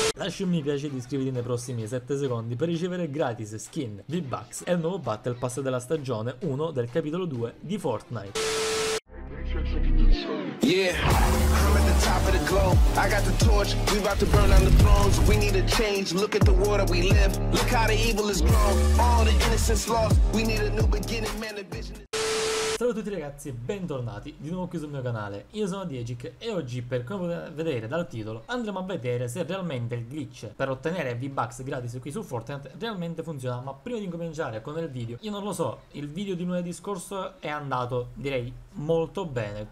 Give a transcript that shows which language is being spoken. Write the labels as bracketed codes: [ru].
[it] Lascia un mi piace ed iscriviti nei prossimi 7 secondi per ricevere gratis skin V-Bucks e il nuovo Battle Pass della stagione 1 del capitolo 2 di Fortnite. [en] Yeah, I'm at the top of the globe. I got the torch, we about to burn down the thrones. We need a change, look at the world that we live. Look how the evil is grown, all the innocence lost. We need a new beginning, man, the vision is... [it] Ciao a tutti ragazzi e bentornati di nuovo qui sul mio canale. Io sono Diegic e oggi, per come potete vedere dal titolo, andremo a vedere se realmente il glitch per ottenere V-Bucks gratis qui su Fortnite realmente funziona. Ma prima di incominciare con il video, io non lo so, il video di lunedì scorso è andato, direi, molto bene.